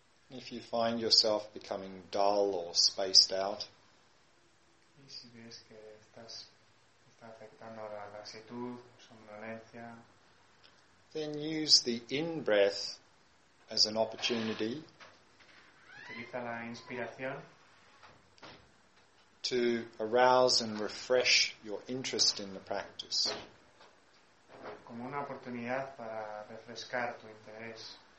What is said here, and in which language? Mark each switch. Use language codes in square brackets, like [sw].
[en] If you find yourself becoming dull or spaced out, [es] y si ves que está afectando la lasitud, somnolencia, [en] then use the in-breath as an opportunity. [es] Utiliza la inspiración [en] to arouse and refresh your interest in the practice. [es] Como una oportunidad para refrescar tu interés